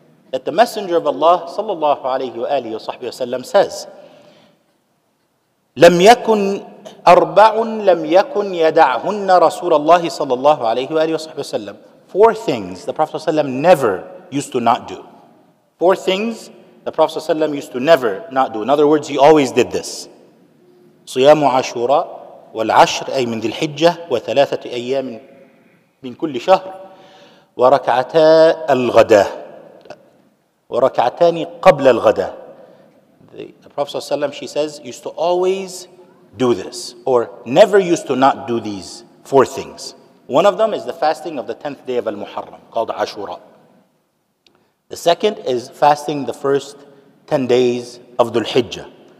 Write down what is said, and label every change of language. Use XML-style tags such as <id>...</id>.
<en>that the Messenger of Allah sallallahu alayhi wa alihi wa sahbihi wa sallam says,</en> <ar>لم يكن أربع لم يكن يدعهن رسول الله صلى الله عليه وآله وصحبه وسلم.</ar> <en>Four things the Prophet ﷺ never used to not do. Four things the Prophet ﷺ used to never not do. In other words, he always did this.</en> <ar>صيام عاشوراء والعشر أي من ذي الحجة وثلاثة أيام من كل شهر وركعتا الغداء وركعتان قبل الغداء.</ar> <en>The Prophet ﷺ, she says, used to always do this, or never used to not do these four things. One of them is the fasting of the 10th day of Al-Muharram, called Ashura. The second is fasting the first 10 days of Dhul-Hijjah.</en>